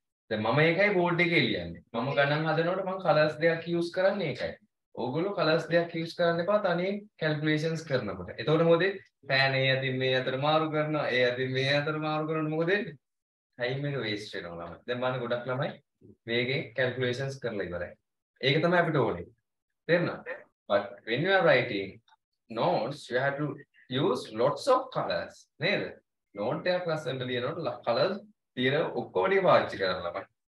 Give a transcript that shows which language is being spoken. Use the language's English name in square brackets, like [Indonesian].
[Sinhala] දැන් මම ඒකයි බෝඩ් එකේ ලියන්නේ. මම ගණන් හදනකොට මම කලර්ස් දෙකක් යූස් කරන්නේ ඒකයි. ඕගොල්ලෝ කලර්ස් දෙකක් යූස් කරන්න එපා තනියෙන් කැල්කියුලේෂන්ස් කරනකොට. එතකොට මොකද පෑන ඒ අතින් මේ අතට මාරු කරනවා. ඒ අතින් මේ අතට මාරු කරනකොට මොකද වෙන්නේ? ටයිම් එක වේස්ට් වෙනවා ළමයි. දැන් බලන්න ගොඩක් ළමයි මේකේ කැල්කියුලේෂන්ස් කරලා ඉවරයි. ඒක තමයි අපිට ඕනේ. තේරෙනවද? [English] But when you are writing notes you have to use lots of colors. [Sinhala] නේද? නෝට් එකක් ලස්සනට ලියනකොට කලර්ස් තියෙන ඔක්කොම ටික පාවිච්චි කරන්න ළමයි.